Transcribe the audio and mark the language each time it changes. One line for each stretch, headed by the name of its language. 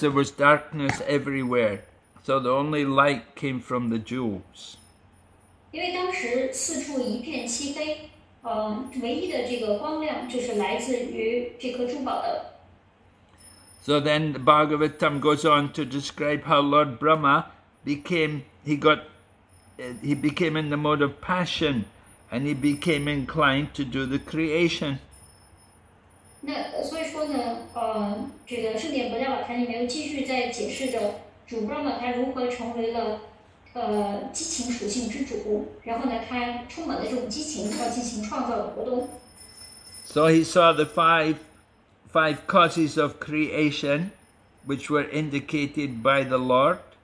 English: there was darkness everywhere, so the only light came from the jewels.
Chinese: 因为当时四处一片漆黑，唯一的这个光亮就是来自于这颗珠宝的。So
English: then the Bhagavatam goes on to describe how Lord Brahma became in the mode of passion, and he became inclined to do the creation.
Chinese: 那所以说呢，这个圣典《伯利瓦坛》里面又继续在解释着主布拉玛他如何成为了。激情属性之主，然后呢，他充满了这种激情，要进行创造的活动。So
English: he saw the five causes of creation, which were indicated by the Lord.